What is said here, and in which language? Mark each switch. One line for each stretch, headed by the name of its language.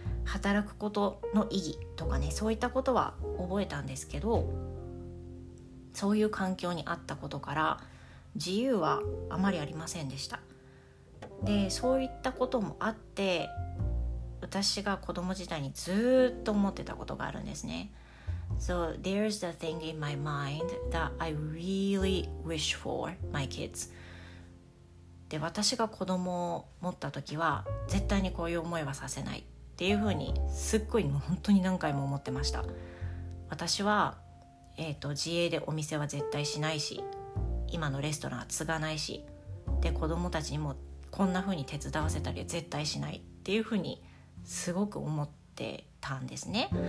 Japanese: 働くことの意義とかね、そういったことは覚えたんですけど、そういう環境にあったことから自由はあまりありませんでした。で、そういったこともあって、私が子供時代にずっと思ってたことがあるんですね。
English: So there's the thing in my mind that I really wish for my kids。
Japanese: で、私が子供を持った時は絶対にこういう思いはさせないっていうふうにすっごい本当に何回も思ってました。私は、自営でお店は絶対しないし、今のレストランは継がないし、で、子供たちにもこんな風に手伝わせたりは絶対しないっていうふうにすごく思ってたんですね。